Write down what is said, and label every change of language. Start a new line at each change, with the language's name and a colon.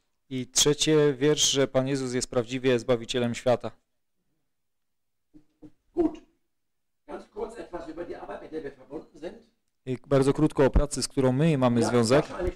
Polish: I trzecie wiersz, że Pan Jezus jest prawdziwie Zbawicielem świata.
German: Gut. Ganz kurz etwas über die Arbeit, mit der wir verbunden sind.
Polish: I bardzo krótko o pracy, z którą my mamy związek.